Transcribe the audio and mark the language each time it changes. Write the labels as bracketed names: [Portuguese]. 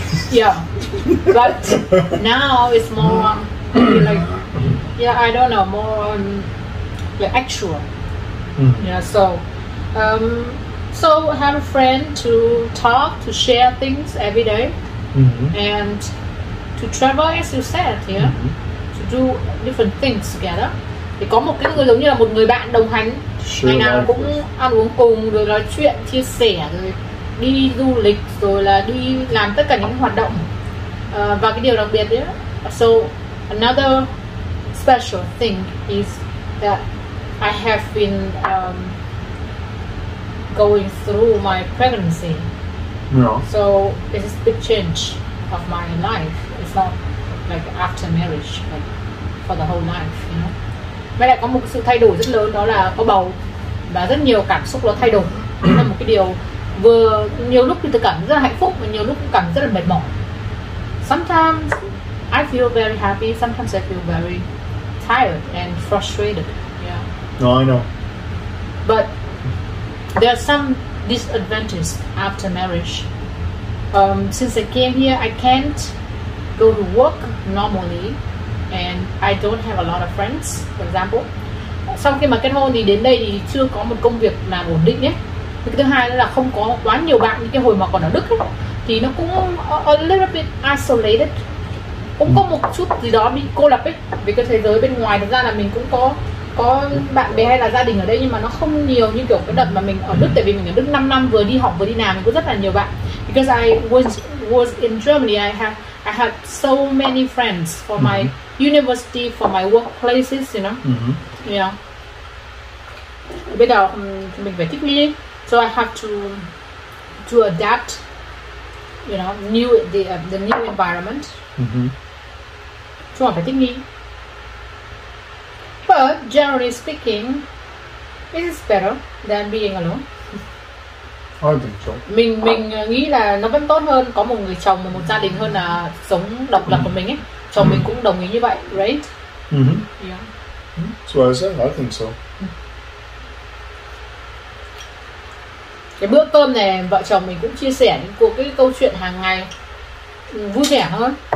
[English] Yeah, but now it's more like, yeah, I don't know, more like actual. Mm-hmm. Yeah, so, so I have a friend to talk, to share things every day, mm-hmm. and to travel, as you said, yeah, mm-hmm. to do different things together. [Vietnamese] Thì có một cái người giống như là một người bạn đồng hành. [English] Sure, [Vietnamese] ngày nào cũng ăn uống cùng, rồi nói chuyện, chia sẻ, rồi đi du lịch, rồi là đi làm tất cả những hoạt động. Và cái điều đặc biệt đấy, [English] so another special thing is that I have been going through my pregnancy. Yeah. So it's a big change of my life. It's not like after marriage, but for the whole life, you know. [Vietnamese] Với lại có một sự thay đổi rất lớn, đó là có bầu và rất nhiều cảm xúc nó thay đổi. Đó là một cái điều vừa nhiều lúc thì tôi cảm rất là hạnh phúc và nhiều lúc cũng cảm rất là mệt mỏi. [English] Sometimes I feel very happy, sometimes I feel very tired and frustrated. Yeah. No, I know. But there are some disadvantages after marriage. Since I came here, I can't go to work normally. And I don't have a lot of friends, for example. [Vietnamese] Sau khi mà kết hôn thì đến đây thì chưa có một công việc nào ổn định nhé. Thì thứ hai là không có quá nhiều bạn như cái hồi mà còn ở Đức ấy. Thì nó cũng [English] a little bit isolated. [Vietnamese] Cũng có một chút gì đó bị cô lập ấy. Vì cái thế giới bên ngoài thực ra là mình cũng có bạn bè hay là gia đình ở đây. Nhưng mà nó không nhiều như kiểu cái đợt mà mình ở Đức. Tại vì mình ở Đức 5 năm vừa đi học vừa đi làm, mình có rất là nhiều bạn. [English] Because I was in Germany, I have so many friends for my university, for my workplaces, you know. Mm-hmm. Yeah. [Vietnamese] Bây giờ thì mình phải thích nghi, [English] so I have to adapt, you know, the new environment. Mm-hmm. [Vietnamese] So phải thích nghi. [English] But generally speaking, it is better than being alone. [Vietnamese] Mình nghĩ là nó vẫn tốt hơn có một người chồng và một gia đình hơn là sống độc lập của mình ấy. Chồng mình cũng đồng ý như vậy, right? Mm-hmm. [English] Yeah. So I said, I think so. [Vietnamese] Cái bữa cơm này vợ chồng mình cũng chia sẻ những cuộc cái câu chuyện hàng ngày vui vẻ hơn.